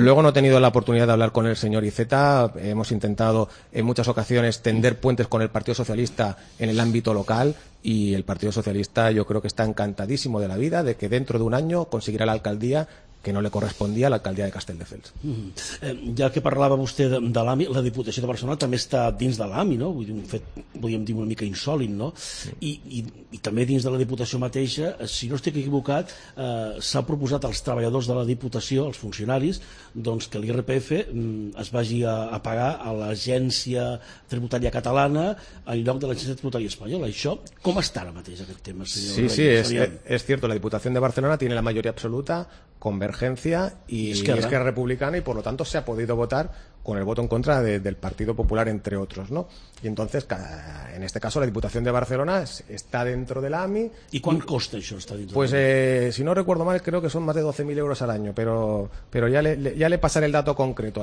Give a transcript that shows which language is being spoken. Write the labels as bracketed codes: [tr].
[es] Luego no he tenido la oportunidad de hablar con el señor Iceta. Hemos intentado en muchas ocasiones tender puentes con el Partido Socialista en el ámbito local, y el Partido Socialista yo creo que está encantadísimo de la vida, de que dentro de un año conseguirá la alcaldía que no le correspondía a la alcaldía de Castelldefels. [ca] Ja que parlava vostè de l'AMI, la Diputació de Barcelona també està dins de l'AMI, no? Vull dir, un fet, podríem dir, una mica insòlid, no? Sí. I també dins de la Diputació mateixa, si no estic equivocat, s'ha proposat als treballadors de la Diputació, als funcionaris, doncs que l'IRPF es vagi a pagar a l'Agència Tributària Catalana en lloc de l'Agència Tributària Espanyola. Això, com està ara mateix aquest tema, senyor? Sí, és cert, la Diputació de Barcelona [es] tiene [ca] la majoria absoluta, Converge [es] Convergencia y Esquerra. Esquerra Republicana, y por lo tanto se ha podido votar con el voto en contra del Partido Popular, entre otros, ¿no? Y entonces, en este caso, la Diputación de Barcelona está dentro de la AMI. ¿Y cuánto costa eso? Está dentro pues, de si no recuerdo mal, creo que son más de 12.000 euros al año, pero ya le pasaré el dato concreto.